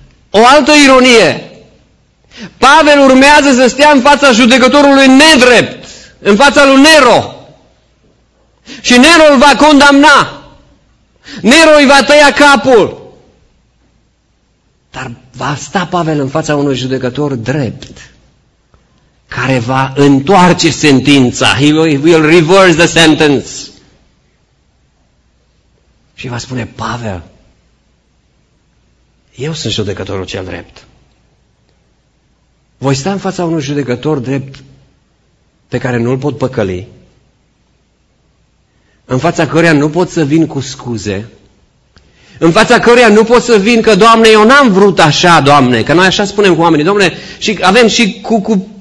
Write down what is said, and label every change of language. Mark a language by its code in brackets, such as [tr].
[ro] O altă ironie. Pavel urmează să stea în fața judecătorului nedrept, în fața lui Nero. Și Nero îl va condamna. Nero îi va tăia capul. Dar va sta Pavel în fața unui judecător drept, care va întoarce sentința. [en] He will reverse the sentence. [ro] Și va spune, Pavel, eu sunt judecătorul cel drept. Voi sta în fața unui judecător drept pe care nu-l pot păcăli, în fața căruia nu pot să vin cu scuze, în fața căruia nu pot să vin că, Doamne, eu n-am vrut așa, Doamne, că noi așa spunem cu oamenii, Doamne, și avem și cu